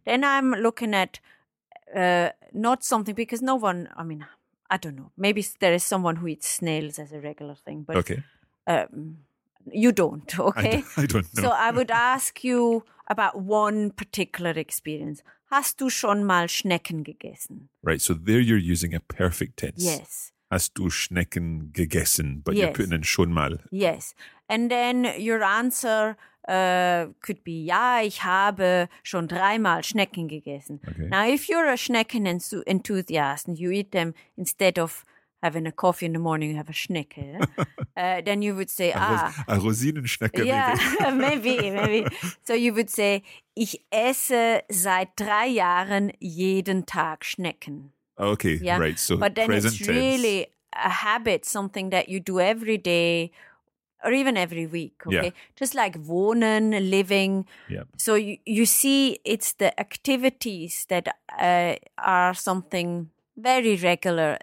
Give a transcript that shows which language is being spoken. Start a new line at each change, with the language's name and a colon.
English: Then I'm looking at not something because no one, I mean, I don't know. Maybe there is someone who eats snails as a regular thing. But okay. You don't, okay? I don't know. So I would ask you about one particular experience.
German: Hast du schon mal Schnecken gegessen?
English: Right, so there you're using a perfect tense. Yes.
German: Hast du Schnecken gegessen?
English: But you're putting in
German: schon mal.
English: Yes. And then your answer could be,
German: ja, ich habe schon 3 Mal Schnecken gegessen.
English: Okay. Now, if you're a Schnecken enthusiast and you eat them instead of having a coffee in the morning, you have a Schnecke, then you would say,
German: a Rosinenschnecke.
English: Yeah, maybe. So you would say,
German: ich esse seit 3 Jahren jeden Tag Schnecken.
English: Okay, yeah. Right. So, but then present it's tense. Really a habit, something that you do every day or even every week. Okay, yeah. Just like wohnen, living. Yeah. So you see, it's the activities that are something very regular.